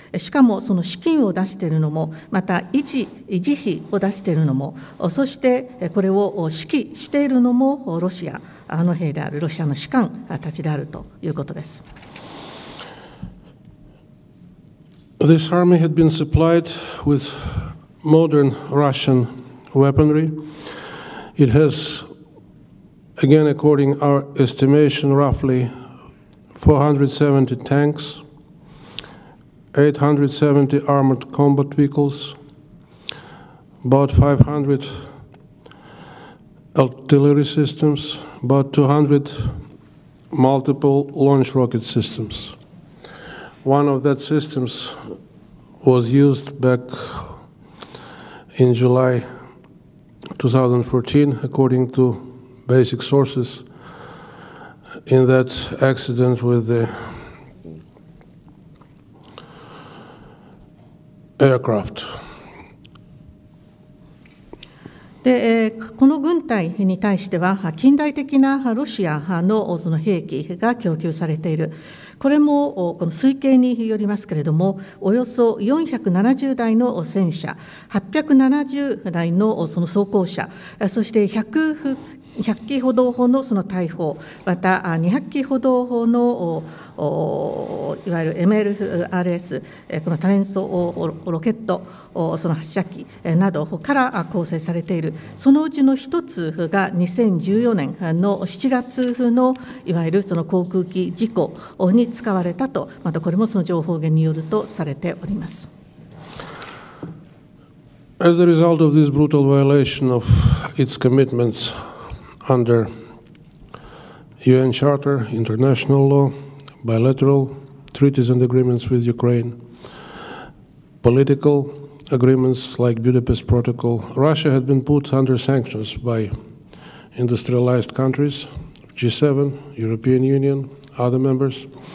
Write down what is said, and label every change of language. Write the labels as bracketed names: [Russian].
[Japanese] しかもその資金を出しているのも、また維持費を出しているのも、そしてこれを指揮しているのもロシアの兵である、ロシアの士官たちであるということです。 [English] This army had been supplied with modern Russian weaponry. It has, again, according our estimation, roughly 470 tanks, 870 armored combat vehicles, about 500 artillery systems, about 200 multiple launch rocket systems. One of that systems was used back in July 2014, according to basic sources, in that accident with the aircraft. [Japanese] でこの軍隊に対しては近代的なロシア派のその兵器が供給されている。これもこの推計によりますけれども、およそ470台の戦車、870台のその装甲車、そして100機ほどのその大砲、また200機ほどのいわゆる MLRS、この多連装ロケット、その発射機などから構成されている。そのうちの一つが2014年の7月のいわゆるその航空機事故に使われたと、またこれもその情報源によるとされております。 [English] As a result of this brutal violation of its commitments,Under UN Charter, international law, bilateral treaties and agreements with Ukraine, political agreements like Budapest Protocol, Russia has been put under sanctions by industrialized countries, G7, European Union, other members.